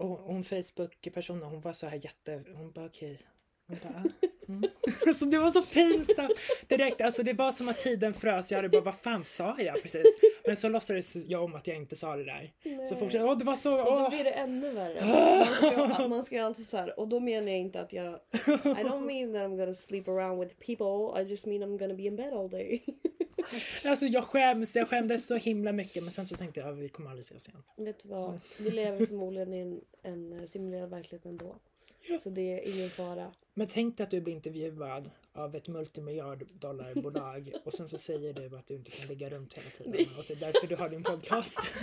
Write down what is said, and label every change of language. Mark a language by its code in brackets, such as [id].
[sv] Och hon Facebook-personen, hon var så här jätte... Hon bara, okej. Okay. Alltså det var så pinsamt. Direkt, alltså det var som att tiden frös. Jag hade bara, vad fan sa jag precis? Men så låtsades jag om att jag inte sa det där. Så fortsatt, det var så... Och då blir det ännu värre. Man ska alltid så här, och då menar jag inte att jag... [en] I don't mean that I'm gonna sleep around with people. I just mean I'm gonna be in bed all day. [sv] Alltså jag skämdes så himla mycket. Men sen så tänkte jag, vi kommer aldrig ses igen. Vet du vad, vi lever förmodligen i en simulerad verklighet ändå. Så det är ingen fara. Men tänk dig att du blir intervjuad av ett multimiljarddollarbolag och sen så säger du att du inte kan ligga runt hela tiden och det är därför du har din podcast.